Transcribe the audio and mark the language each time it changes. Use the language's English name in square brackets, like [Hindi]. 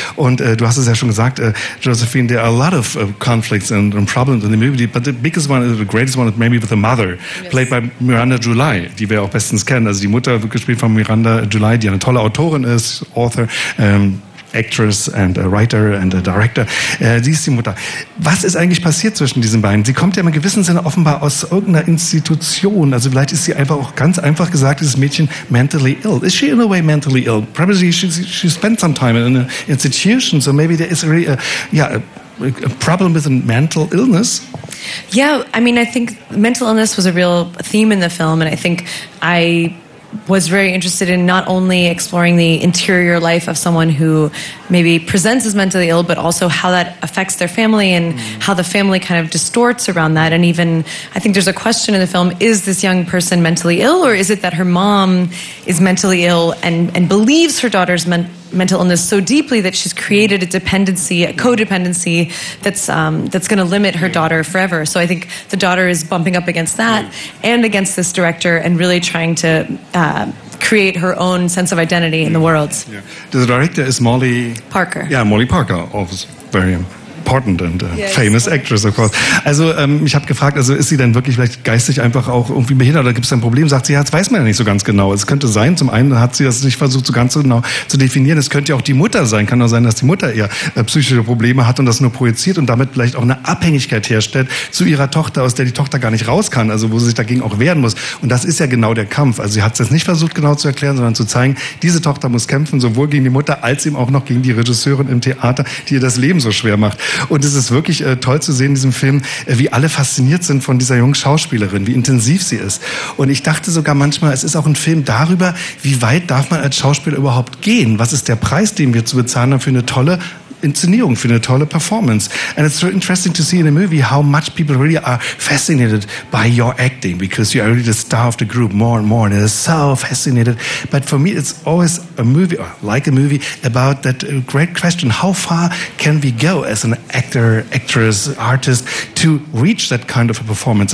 [German] Und du hast es ja schon gesagt, Josephine, [English] there are a lot of conflicts and problems in the movie, but the biggest one, the greatest one, is maybe with the mother, played by Miranda July, [German] die wir auch bestens kennen. Also die Mutter wird gespielt von Miranda July, die eine tolle Autorin ist, Author, [English] Actress and a writer and a director. [German] Sie ist die Mutter. Was ist eigentlich passiert zwischen diesen beiden? Sie kommt ja im gewissen Sinne offenbar aus irgendeiner Institution. Also vielleicht ist sie einfach auch ganz einfach gesagt, dieses Mädchen [English] mentally ill. Is she in a way mentally ill? Probably she spent some time in an institution, so maybe there is really a problem with a mental illness. Yeah, I mean, I think mental illness was a real theme in the film, and I think I was very interested in not only exploring the interior life of someone who maybe presents as mentally ill, but also how that affects their family and how the family kind of distorts around that. And even, I think there's a question in the film, is this young person mentally ill, or is it that her mom is mentally ill and believes her daughter's mental illness so deeply that she's created a dependency, a codependency that's going to limit her daughter forever. So I think the daughter is bumping up against that and against this director and really trying to create her own sense of identity in the world. Yeah. The director is Molly Parker. Yeah, Molly Parker, obviously very important and yes. Famous actress, of course. [German] Also ich habe gefragt, also ist sie denn wirklich vielleicht geistig einfach auch irgendwie behindert oder gibt es ein Problem? Sagt sie, ja, das weiß man ja nicht so ganz genau. Es könnte sein, zum einen hat sie das nicht versucht so ganz genau zu definieren. Es könnte ja auch die Mutter sein. Kann auch sein, dass die Mutter eher psychische Probleme hat und das nur projiziert und damit vielleicht auch eine Abhängigkeit herstellt zu ihrer Tochter, aus der die Tochter gar nicht raus kann, also wo sie sich dagegen auch wehren muss. Und das ist ja genau der Kampf. Also sie hat es jetzt nicht versucht genau zu erklären, sondern zu zeigen, diese Tochter muss kämpfen, sowohl gegen die Mutter als eben auch noch gegen die Regisseurin im Theater, die ihr das Leben so schwer macht. Und es ist wirklich toll zu sehen in diesem Film, wie alle fasziniert sind von dieser jungen Schauspielerin, wie intensiv sie ist. Und ich dachte sogar manchmal, es ist auch ein Film darüber, wie weit darf man als Schauspieler überhaupt gehen? Was ist der Preis, den wir zu bezahlen haben für eine tolle Inszenierung, für eine tolle Performance? [English] And it's so interesting to see in a movie how much people really are fascinated by your acting, because you are really the star of the group more and more, and it is so fascinated. But for me, it's always a movie, like a movie, about that great question, how far can we go as an actor, actress, artist, to reach that kind of a performance?